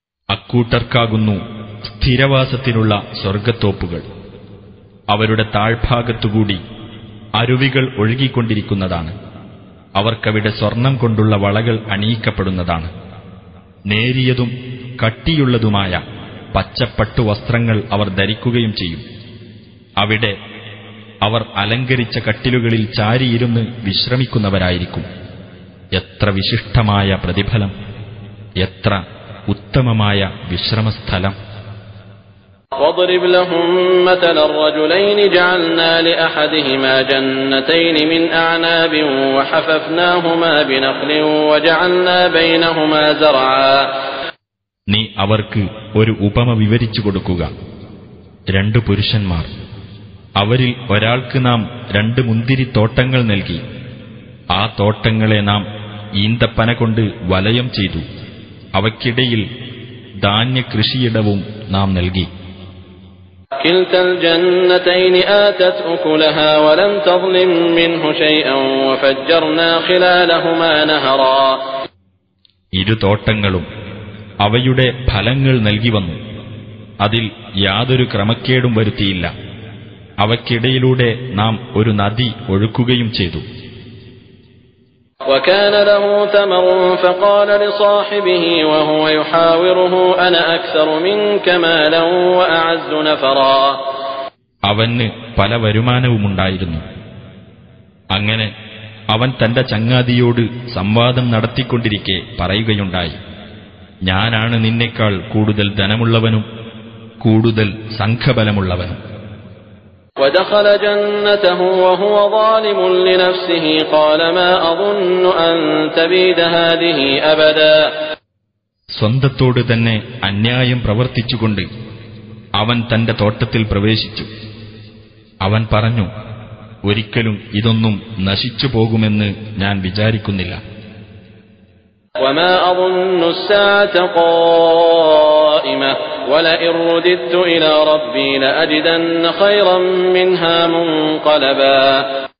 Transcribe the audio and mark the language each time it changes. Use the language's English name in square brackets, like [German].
[Malayalam] أكوتركا غنو ستيرواستن الله سرغة توبغل. അവരുടെ താഴ്ഭാഗത്തുകൂടി അരുവികൾ ഒഴുകിക്കൊണ്ടിരിക്കുന്നതാണ്. അവർക്കവിടെ സ്വർണം കൊണ്ടുള്ള വളകൾ അണിയിക്കപ്പെടുന്നതാണ്. നേരിയതും കട്ടിയുള്ളതുമായ പച്ചപ്പട്ടു വസ്ത്രങ്ങൾ അവർ ധരിക്കുകയും ചെയ്യും. അവിടെ അവർ അലങ്കരിച്ച കട്ടിലുകളിൽ ചാരിയിരുന്ന് വിശ്രമിക്കുന്നവരായിരിക്കും. എത്ര വിശിഷ്ടമായ പ്രതിഫലം, എത്ര ഉത്തമമായ വിശ്രമസ്ഥലം. [Arabic] واضرب لهم مثل الرجلين جعلنا لأحدهما جنتين من أعناب وحففناهما بنخل وجعلنا بينهما زرعا. [Malayalam] നീ അവർക്ക് ഒരു ഉപമ വിവരിച്ചു കൊടുക്കുക. രണ്ട് പുരുഷന്മാർ, അവരിൽ ഒരാൾക്ക് നാം രണ്ട് മുന്തിരി തോട്ടങ്ങൾ നൽകി. ആ തോട്ടങ്ങളെ നാം ഈന്തപ്പന കൊണ്ട് വലയം ചെയ്തു. അവക്കിടയിൽ ധാന്യ കൃഷിയിടവും നാം നൽകി. [Arabic] كلتا الجنتين آتت أكلها ولم تظلم منه شيئا وفجرنا خلالهما نهرا. [Malayalam] ഇരു തോട്ടങ്ങളും അവയുടെ ഫലങ്ങൾ നൽകി വന്നു. അതിൽ യാതൊരു ക്രമക്കേടും വരുത്തിയില്ല. അവക്കിടയിലൂടെ നാം ഒരു നദി ഒഴുക്കുകയും ചെയ്തു. [Arabic] وكان له ثمر فقال لصاحبه وهو يحاوره انا اكثر منك مالا واعز نفرا. [Malayalam] അവന് പല വരുമാനവും ഉണ്ടായിരുന്നു. അങ്ങനെ അവൻ തന്റെ ചങ്ങാതിയോട് സംവാദം നടത്തിക്കൊണ്ടിരിക്കെ പറയുകയുണ്ടായി, ഞാനാണ് നിന്നേക്കാൾ കൂടുതൽ ധനമുള്ളവനും കൂടുതൽ സംഘബലമുള്ളവനും. [Arabic] ودخل جنته وهو ظالم لنفسه قال ما اظن ان تبيد هذه ابدا [Malayalam] സ്വന്തത്തോടു തന്നെ അന്യായം പ്രവർത്തിച്ചുകൊണ്ട് അവൻ തന്റെ തോട്ടത്തിൽ പ്രവേശിച്ചു. അവൻ പറഞ്ഞു, ഒരിക്കലും ഇതൊന്നും നശിച്ചു പോകുമെന്ന് ഞാൻ വിചാരിക്കുന്നില്ല.